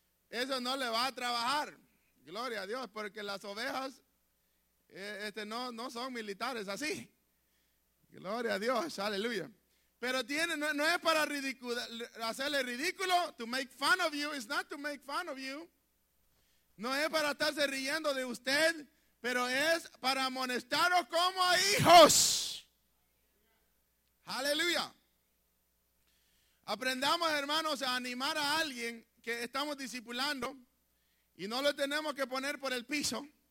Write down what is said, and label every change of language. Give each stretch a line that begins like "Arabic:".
Spanish: Eso no le va a trabajar. Gloria a Dios, porque las ovejas no son militares así. Gloria a Dios, aleluya. Pero tiene, no es para hacerle ridículo,
English: to make fun of you, it's not to make fun of you.
Spanish: No es para estarse riendo de usted, pero es para amonestaros como a hijos. Aleluya. Aprendamos, hermanos, a animar a alguien que estamos discipulando y no lo tenemos que poner por el piso.